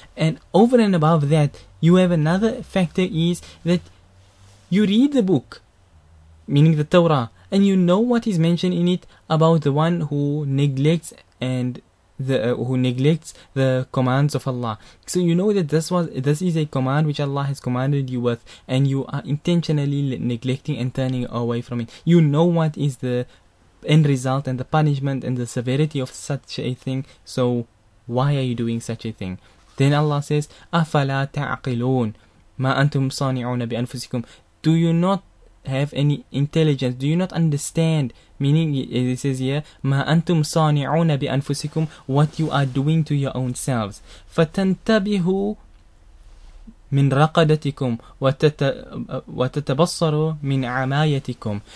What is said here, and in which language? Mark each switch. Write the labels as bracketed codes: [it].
[en] And over and above that, you have another factor, is that you read the book, meaning the Torah, and you know what is mentioned in it about the one who neglects and who neglects the commands of Allah. So you know that this is a command which Allah has commanded you with, and you are intentionally neglecting and turning away from it. You know what is the end result and the punishment and the severity of such a thing. So why are you doing such a thing? Then Allah says, [ar] أَفَلَا تَعْقِلُونَ مَا أَنْتُمْ صَانِعُونَ بِأَنفُسِكُمْ. [en] Do you not have any intelligence? Do you not understand? Meaning, it says here, [ar] مَا أَنْتُمْ صَانِعُونَ بِأَنفُسِكُمْ, [en] what you are doing to your own selves. [ar] فَتَنْتَبِهُ مِنْ رَقَدَتِكُمْ وَتَتَبَصَّرُ مِنْ عَمَايَتِكُمْ.